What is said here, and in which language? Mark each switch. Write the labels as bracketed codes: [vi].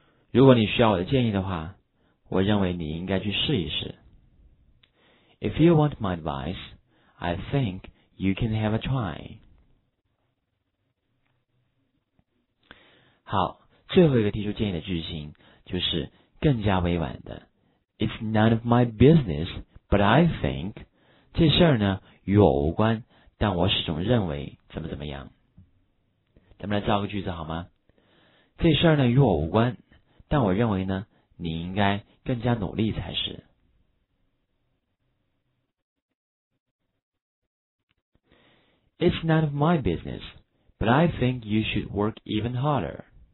[zh] 如果你需要我的建议的话，我认为你应该去试一试。 [en] If you want my advice, I think you can have a try. [zh] 好，最后一个提出建议的句型就是更加委婉的。 [en] It's none of my business, but I think [zh] 这事儿呢与我无关，但我始终认为怎么怎么样。咱们来造个句子好吗？这事儿呢与我无关，但我认为呢你应该更加努力才是。 [en] It's none of my business, but I think you should work even harder.